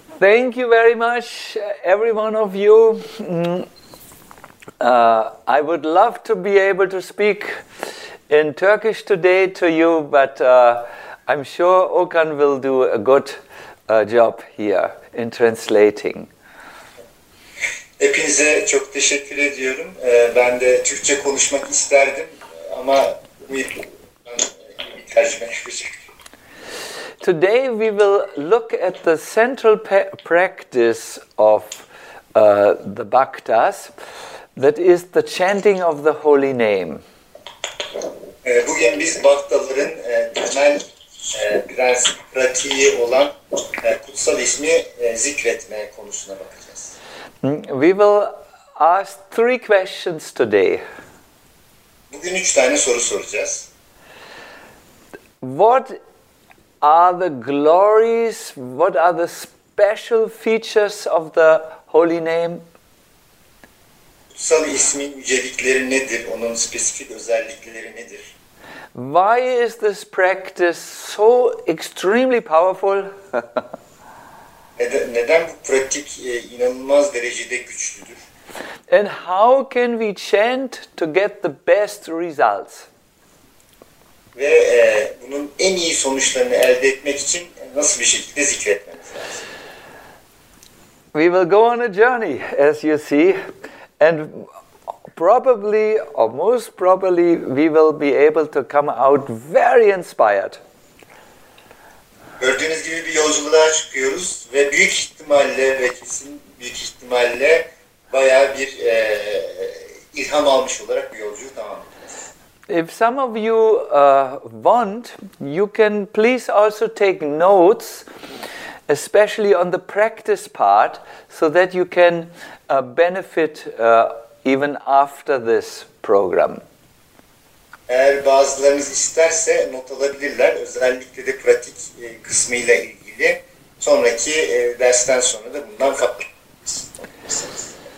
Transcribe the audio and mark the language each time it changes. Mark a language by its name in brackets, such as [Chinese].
[English] Thank you very much, every one of you. I would love to be able to speak in Turkish today to you, but I'm sure Okan will do a good job here in translating. [Turkish] Hepinize çok teşekkür ediyorum. Ben de Türkçe konuşmak isterdim ama bir tercüme yapacak. [English] Today we will look at the central practice of the Bhaktas, that is the chanting of the holy name. [Turkish] Bugün biz Bhaktaların temel biraz pratiği olan kutsal ismi zikretme konusuna bakacağız. [English] We will ask three questions today. [Turkish] Bugün üç tane soru soracağız. [English] What are the glories, what are the special features of the holy name? [Turkish] Kutsal ismin yücelikleri nedir, onun spesifik özellikleri nedir? [English] Why is this practice so extremely powerful? [Turkish] Neden bu pratik inanılmaz derecede güçlüdür? [English] And how can we chant to get the best results? [Turkish] Ve bunun en iyi sonuçlarını elde etmek için nasıl bir şekilde zikretmemiz lazım? [English] We will go on a journey, as you see, and probably, or most probably, we will be able to come out very inspired. [Turkish] Gördüğünüz gibi bir yolculuğa çıkıyoruz ve büyük ihtimalle ve kesin büyük ihtimalle bayağı bir ilham almış olarak bir yolculuğu tamamlayacağız. [English] If some of you want, you can please also take notes, especially on the practice part, so that you can benefit even after this program. [Turkish] Eğer bazılarınız isterse not alabilirler, özellikle de pratik kısmıyla ilgili. Sonraki dersten sonra da bundan faydalanabilirsiniz.